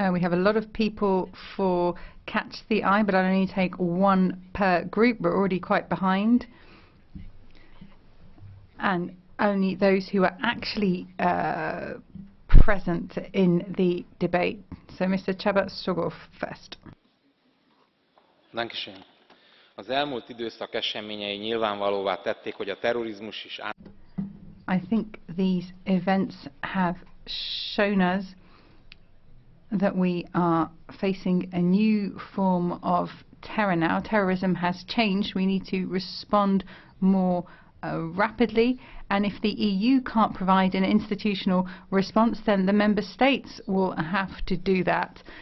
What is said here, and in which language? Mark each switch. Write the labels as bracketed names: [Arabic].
[English] We have a lot of people for Catch the Eye, but I'll only take one per group. We're already quite behind. And only those who are actually present in the debate. So Mr. Csaba Sogov first. [German] Danke schön. [Hungarian] Az elmúlt időszak eseményei nyilvánvalóvá tették, hogy a terrorizmus is. [English] I think these events have shown us that we are facing a new form of terror now. Terrorism has changed. We need to respond more rapidly. And if the EU can't provide an institutional response, then the member states will have to do that.